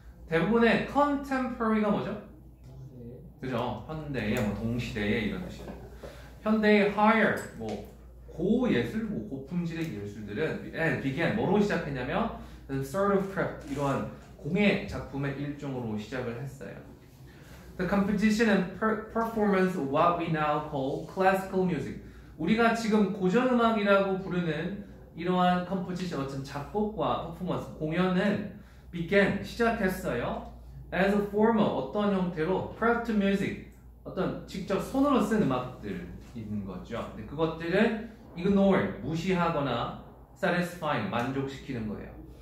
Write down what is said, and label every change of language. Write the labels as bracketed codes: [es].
[ko] 대부분의 contemporary가 뭐죠? 그죠? 현대의 뭐 동시대의 이런 뜻이에요. 현대의 higher 뭐 고예술, 뭐 고품질의 예술들은 began 뭐로 시작했냐면 [en] sort of craft [ko] 이러한 공예 작품의 일종으로 시작을 했어요. [en] The composition and performance of what we now call classical music. [ko] 우리가 지금 고전 음악이라고 부르는 이러한 composition 어떤 작곡과 performance 공연은 began 시작했어요. [en] As a form of [ko] 어떤 형태로 [en] craft music [ko] 어떤 직접 손으로 쓴 음악들 있는 거죠. 근데 그것들은 ignore 무시하거나 satisfying 만족시키는 거예요.